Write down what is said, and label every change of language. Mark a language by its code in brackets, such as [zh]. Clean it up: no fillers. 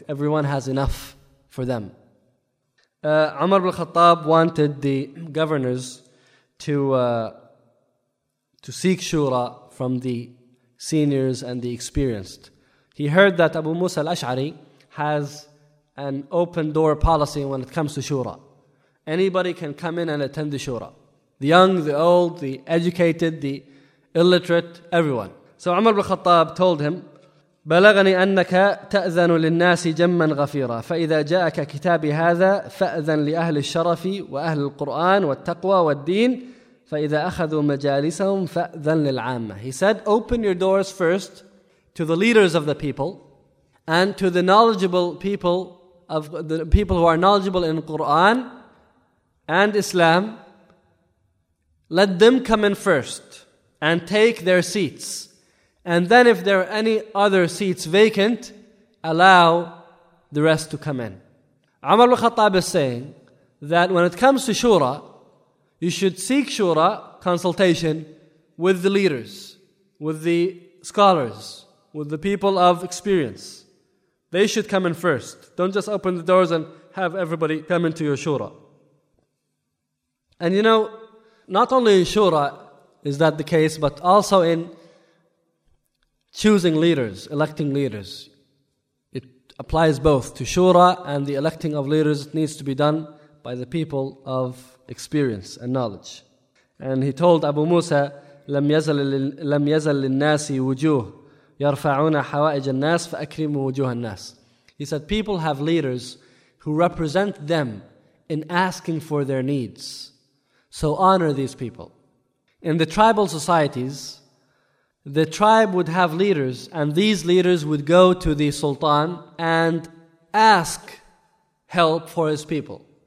[en] Everyone has enough for them. Umar ibn Khattab wanted the governors to seek shura from the seniors and the experienced. He heard that Abu Musa al-Ash'ari has an open door policy when it comes to shura. Anybody can come in and attend the shura. The young, the old, the educated, the illiterate, everyone. So Umar ibn Khattab told him, [ar] بلغني أنك تأذن للناس جما غفيرا فإذا جاءك كتابي هذا فأذن لأهل الشرف وأهل القرآن والتقوى والدين فإذا أخذوا مجالسهم فأذن للعامة. [en] He said, open your doors first to the leaders of the people and to the knowledgeable people, of the people who are knowledgeable in Quran and Islam. Let them come in first and take their seats. And then if there are any other seats vacant, allow the rest to come in. Umar al-Khattab is saying that when it comes to shura, you should seek shura consultation with the leaders, with the scholars, with the people of experience. They should come in first. Don't just open the doors and have everybody come into your shura. And you know, not only in shura is that the case, but also in choosing leaders, electing leaders. It applies both to shura and the electing of leaders. It needs to be done by the people of experience and knowledge. And he told Abu Musa, [ar] لم يزل للناس وجوه يرفعون حوائج الناس فأكرموا وجوه الناس. [en] He said, people have leaders who represent them in asking for their needs. So honor these people. In the tribal societies, the tribe would have leaders, and these leaders would go to the sultan and ask help for his people.